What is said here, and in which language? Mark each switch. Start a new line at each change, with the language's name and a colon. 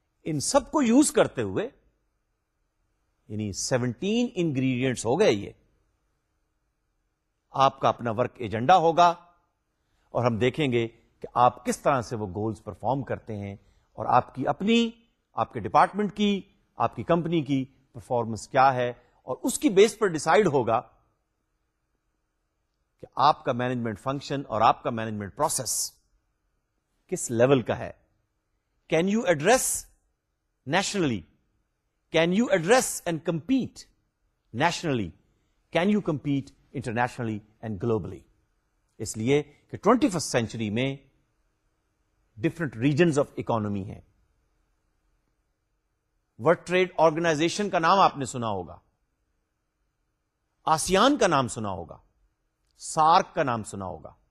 Urdu: ان سب کو یوز کرتے ہوئے یعنی 17 انگریڈینٹس ہو گئے یہ, آپ کا اپنا ورک ایجنڈا ہوگا اور ہم دیکھیں گے کہ آپ کس طرح سے وہ گولز پرفارم کرتے ہیں اور آپ کی اپنی, آپ کے ڈپارٹمنٹ کی, آپ کی کمپنی کی پرفارمنس کیا ہے, اور اس کی بیس پر ڈیسائیڈ ہوگا کہ آپ کا مینجمنٹ فنکشن اور آپ کا مینجمنٹ پروسیس کس لیول کا ہے.
English: Can you address nationally, can you address and compete nationally, can you compete internationally and globally.
Urdu: اس لیے کہ 21st سینچری میں ڈفرنٹ ریجنز آف اکانومی ہیں. ورلڈ ٹریڈ آرگنائزیشن کا نام آپ نے سنا ہوگا, آسیان کا نام سنا ہوگا, سارک کا نام سنا ہوگا.